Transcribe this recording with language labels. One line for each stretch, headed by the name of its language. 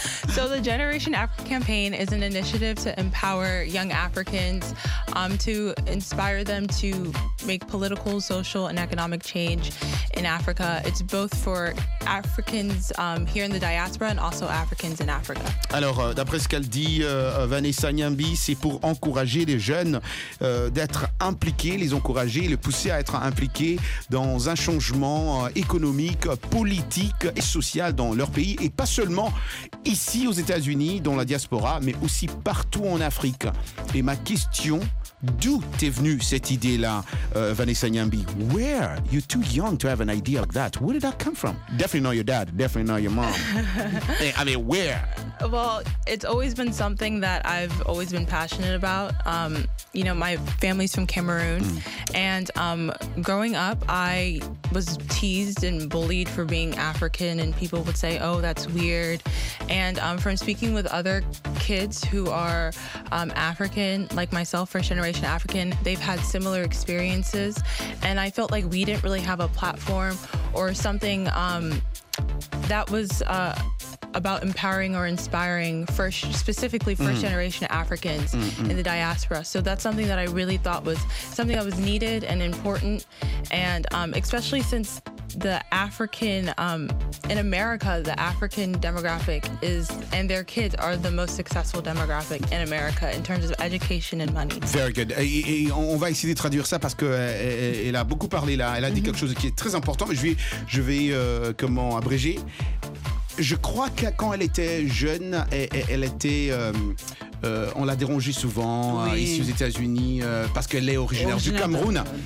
English: So the Generation Africa campaign is an initiative to empower young Africans, to inspire them to make political, social, and economic change in Africa. It's both for Africans here in the diaspora and also Africans in Africa.
French: Alors, d'après ce qu'elle dit, Vanessa Nyambi, c'est pour encourager les jeunes d'être impliqués, les encourager, les pousser à être impliqués dans un changement économique, politique et social dans leur pays, et pas seulement ici aux États-Unis, dans la diaspora, mais aussi partout en Afrique. Et ma question, d'où t'es venue cette idée-là, Vanessa Nyambi?
English: Where? You're too young to have an idea like that. Where did that come from? Definitely not your dad. Definitely not your mom. I mean, where? Well, it's always been something that I've always been passionate about. You know, my family's from Cameroon. Mm. And growing up, I was teased and bullied for being African. And people would say, oh, that's weird. And from speaking with other kids who are African, like myself, first generation African, they've had similar experiences. And I felt like we didn't really have a platform or something that was about empowering or inspiring specifically first generation Africans in the diaspora. So that's something that I really thought was something that was needed and important. And especially since the African, in America, the African demographic is, and their kids are the most successful demographic in America in terms of education and money. Very good.
French: Et on va essayer de traduire ça parce qu'elle a beaucoup parlé là. Elle a dit quelque chose qui est très important, mais je vais comment abréger. Je crois que quand elle était jeune, elle était... on l'a dérangée souvent ici aux États-Unis parce qu'elle est originaire du Cameroun.